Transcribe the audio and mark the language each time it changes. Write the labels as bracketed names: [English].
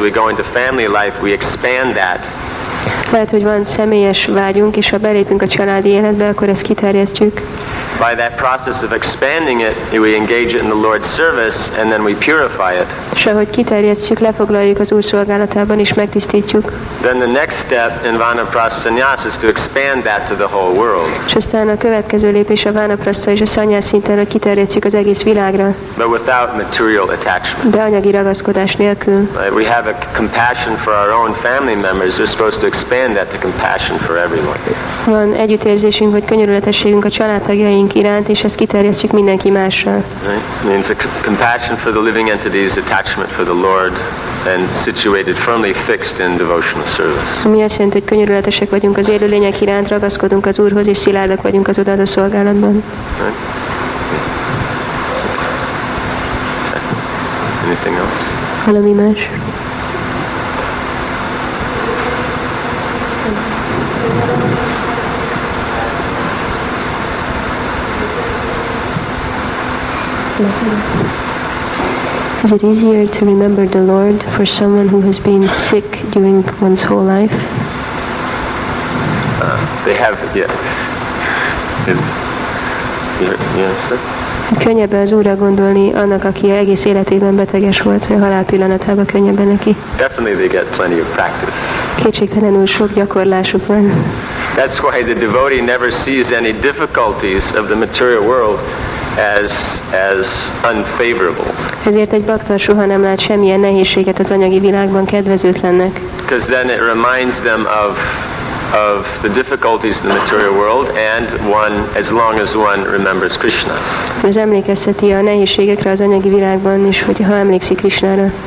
[English] We go into family life, we expand that. [Hungarian] Lehet, hogy van személyes vágyunk, és ha belépünk a családi életbe, akkor ezt kiterjesztjük. [English] By that process of expanding it, we engage it in the Lord's service, and then we purify it. [Hungarian] És ahogy kiterjesztjük, lefoglaljuk az Úr szolgálatában, és megtisztítjuk. [English] Then the next step in Vanaprastha Sanyas is to expand that to the whole world. [Hungarian] És aztán a következő lépés a Vanaprastha és a Sanyas szinten, hogy kiterjesztjük az egész világra. [English] But without material attachment. [Hungarian] De anyagi ragaszkodás nélkül. [English] We have a compassion for our own family members. We're supposed to expand understand that, the compassion for everyone. [Hungarian] Van együttérzésünk vagy könyörületességünk a családtagjaink iránt, és ezt kiterjesztjük mindenki másra. [English] Right? Means compassion for the living entities, attachment for the Lord, and situated firmly fixed in devotional service. [Hungarian] Mi azt jelenti, hogy könyörületesek vagyunk az élőlények iránt, ragaszkodunk az Úrhoz, és szilárdak vagyunk az odaadó szolgálatban. [English] Right? Anything else? [Hungarian] Valami más? [English] Is it easier to remember the Lord for someone who has been sick during one's whole life? Yes. [Hungarian] Könnyebben az Úrra gondolni annak, aki egész életében beteges volt, vagy halál pillanatában könnyebben neki. [English] Definitely they get plenty of practice. [Hungarian] Kétségtelenül sok gyakorlásuk van. [English] That's why the devotee never sees any difficulties of the material world as unfavorable. [Hungarian] Ezért egy bakta soha nem lát semmilyen nehézséget az anyagi világban kedvezőtlennek. [English] Because then it reminds them of the difficulties of the material world, and one as long as one remembers Krishna. [Hungarian] Ez emlékezteti a nehézségekre az anyagi világban is, hogy ha emlékszik Krishnára.